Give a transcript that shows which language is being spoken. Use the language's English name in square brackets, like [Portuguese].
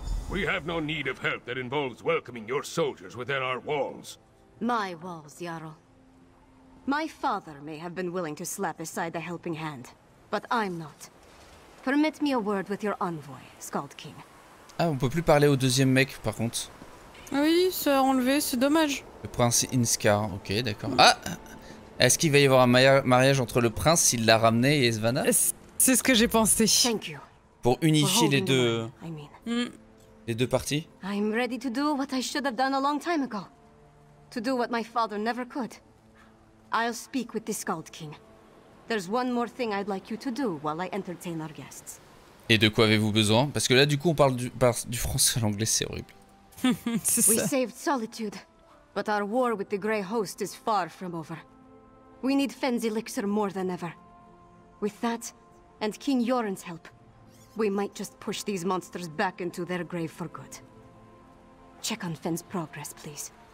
[English] We have no need of help that involves welcoming your soldiers within our walls. My walls, Jarl. My father may have been willing to slap aside the helping hand, but I'm not. Permit me a word with your envoy, Skald King. [French] Ah, on peut plus parler au deuxième mec, par contre. Oui, ça a enlevé, c'est dommage. Le prince Inskar, ok, d'accord. Ah! Est-ce qu'il va y avoir un mariage entre le prince, s'il l'a ramené, et Svana? C'est ce que j'ai pensé. [English] Thank you. [French] Pour unifier les deux... Les deux parties? [English] I'm ready to do what I should have done a long time ago. To do what my father never could. I'll speak with the Skald King. There's one more thing I'd like you to do while I entertain our guests. [French] Et de quoi avez-vous besoin? Parce que là, du coup, on parle du français à l'anglais, c'est horrible. C'est ça. [English] We saved Solitude, but our war with the Grey Host is far from over. We need Fenn's elixir more than ever. With that, and King Yoren's help, we might just push these monsters back into their grave for good. Check on Fenn's progress, please.